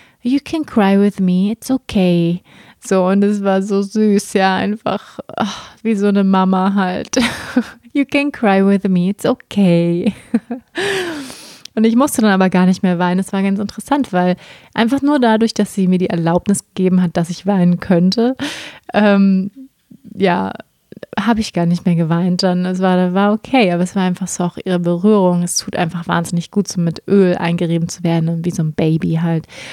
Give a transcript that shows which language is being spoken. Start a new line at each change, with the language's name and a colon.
English: You can cry with me, it's okay.
German: So, und es war so süß, ja, einfach ach, wie so eine Mama halt.
English: You can cry with me, it's okay.
German: Und ich musste dann aber gar nicht mehr weinen. Es war ganz interessant, weil einfach nur dadurch, dass sie mir die Erlaubnis gegeben hat, dass ich weinen könnte, ja, habe ich gar nicht mehr geweint. Dann war okay, aber es war einfach so auch ihre Berührung. Es tut einfach wahnsinnig gut, so mit Öl eingerieben zu werden und wie so ein Baby halt.